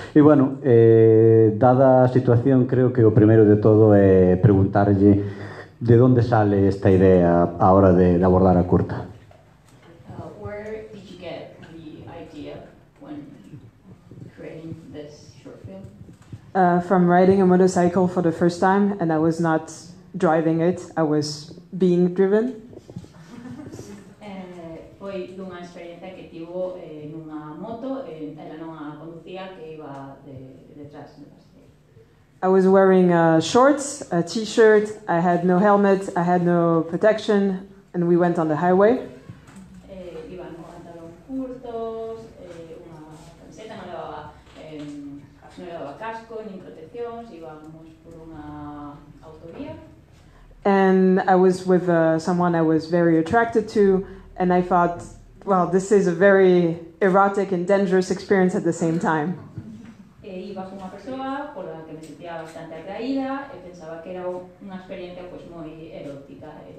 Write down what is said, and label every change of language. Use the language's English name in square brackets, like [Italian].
[Galician] E, bueno, dada a situación, creo que o primeiro de todo é preguntarlle de onde sale esta idea á hora de abordar a curta. [English] Where did you get the idea when creating this short film? From riding a motorcycle for the first time, and I was not driving it, I was being driven. [Galician] Foi dunha experiencia que tivo nunha moto, ela non a conducía, que iba detrás. [English] I was wearing shorts, a t-shirt, I had no helmet, I had no protection, and we went on the highway. [Galician] Iba con pantalón curtos, unha camiseta, non levaba casco, nin proteccións, íbamos por unha autovía. [English] And I was with someone I was very attracted to, and I thought, well, this is a very erotic and dangerous experience at the same time. [Galician] Iba con unha persoa pola que me sentía bastante atraída e pensaba que era unha experiencia pois moi erótica.